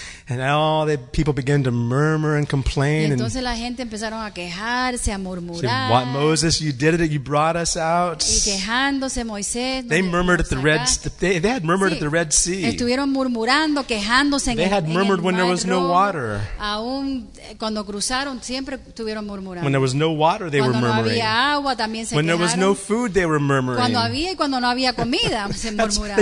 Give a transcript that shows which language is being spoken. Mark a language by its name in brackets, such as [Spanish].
[English] And all the people began to murmur and complain. [Spanish] Y entonces la gente empezaron a quejarse, a murmurar. [English] Say, "What, Moses, you did it, you brought us out." [Spanish] Y quejándose Moisés. [English] They murmured at the Red Sea. They had murmured at the Red Sea. [Spanish] Estuvieron murmurando, quejándose. [English] They had murmured when there was no water. [Spanish] Aún cuando cruzaron siempre estuvieron murmurando. [English] When there was no water, they were murmuring. [Spanish] Cuando no había agua también se quejaron. [English] When there was no food, they were murmuring. [Spanish] Cuando había y cuando no había comida se murmuraron.